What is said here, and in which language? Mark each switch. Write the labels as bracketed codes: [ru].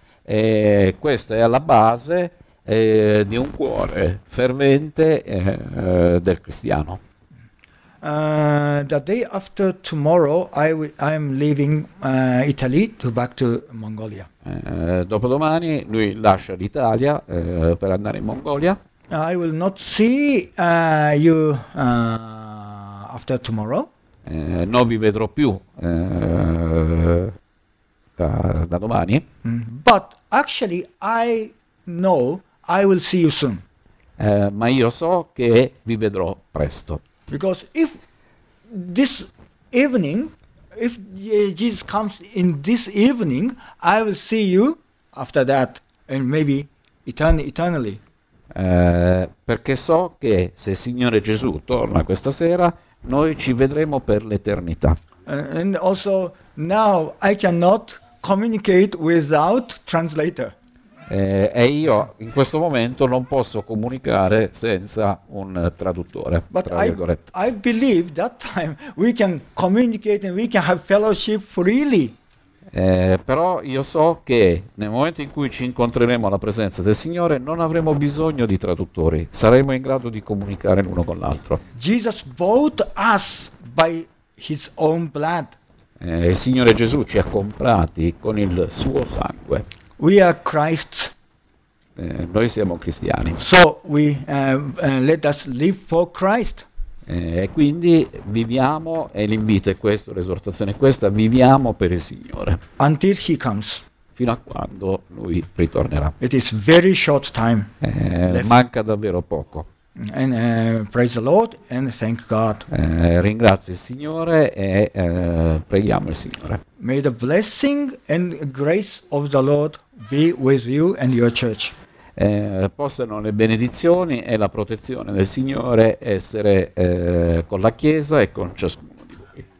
[it] E questo è alla base di un cuore fervente del cristiano. [en] The day after tomorrow I'm leaving Italy to back to Mongolia. [it] Dopodomani lui lascia l'Italia per andare in Mongolia. [en] I will not see you after tomorrow. [it] Non vi vedrò più da domani. [en] But actually I know I will see you soon. [it] Ma io so che vi vedrò presto. [en] Because if this evening, if Jesus comes in this evening, I will see you after that, and maybe eternally. [it] Perché so che se il Signore Gesù torna questa sera, noi ci vedremo per l'eternità. [en] And also now I cannot communicate without translator. [it] E io in questo momento non posso comunicare senza un traduttore. [en] But [it] tra virgolette. [en] I believe that time we can communicate and we can have fellowship freely. [it] Però io so che nel momento in cui ci incontreremo alla presenza del Signore non avremo bisogno di traduttori, saremo in grado di comunicare l'uno con l'altro. [en] Jesus bought us by his own blood. [it] Il Signore Gesù ci ha comprati con il suo sangue. [en] We are Christ's. [it] Noi siamo cristiani. [en] So we let us live for Christ. [it] E quindi viviamo, e l'invito è questo, l'esortazione è questa, viviamo per il Signore. [en] Until he comes. [it] Fino a quando lui ritornerà. [en] It is very short time. [it] Manca davvero poco. [en] And praise the Lord and thank God. [it] Ringrazio il Signore e preghiamo il Signore. [en] May the blessing and grace of the Lord be with you and your church. [it] Possano le benedizioni e la protezione del Signore essere con la Chiesa e con ciascuno di voi.